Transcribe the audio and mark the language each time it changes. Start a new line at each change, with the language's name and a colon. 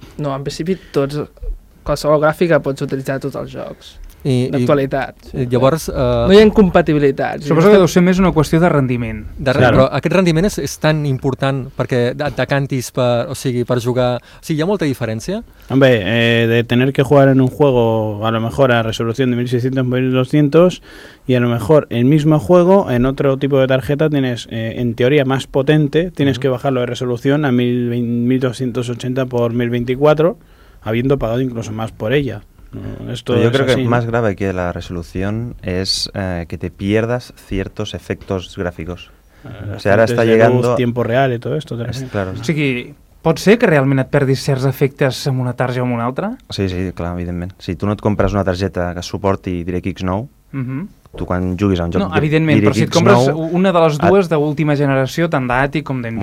Catalan: No, en principi tots, qualsevol gràfica pots utilitzar tots els jocs d'actualitat. Llavors... No hi ha incompatibilitat. Suposo que deu ser més una qüestió de rendiment. Però aquest rendiment és tan important perquè et decantis per jugar... O sigui, hi ha molta diferència?
Spanish: Hombre, de tener que jugar en un juego a lo mejor a resolución de 1600x1200 y a lo mejor el mismo juego en otro tipo de tarjeta tienes, en teoría, más potente, tienes que bajarlo de resolución a 1280x1024 habiendo pagado incluso más por ella. Esto yo creo así, que más grave que la resolución es que te pierdas ciertos efectos gráficos. O sea, ahora está llegando a tiempo real y todo esto. Claro.
Catalan: O sigui, pot ser que realment et perdis certs efectes amb una targeta o amb una altra? Sí, clar, evidentment. Si tu no et compres una targeta que suporti DirectX 9, tu quan juguis a un joc DirectX 9... No, evidentment, però si et compres 9, una de les dues d'última generació, tant d'Ati com d'Nvidia.